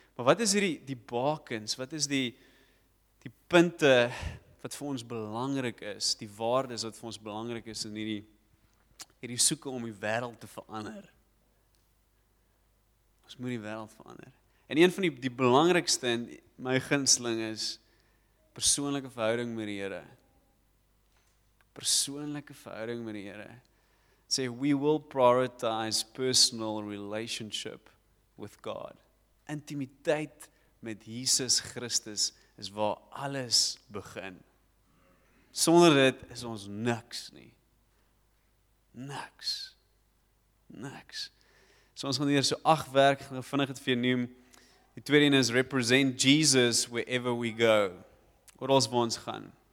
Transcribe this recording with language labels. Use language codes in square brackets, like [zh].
[af] Maar wat is die bakens, wat is die punte, wat vir ons belangrik is, die waardes wat vir ons belangrik is, in hierdie soeke om die wêreld te verander. Ons moet die wêreld verander. En een van die belangrikste en my gunsteling is persoonlike verhouding met die Here. Persoonlike verhouding met die Here. [en] Sê, we will prioritize personal relationship with God. [af] Intimiteit met Jesus Christus is waar alles begin. Sonder dit is ons niks nie. Niks. So ons gaan hier so 8 werk, gaan vinnig het vir jou noem. Die tweede een is [en] represent Jesus wherever we go. [af] Wat ons waar ons gaan.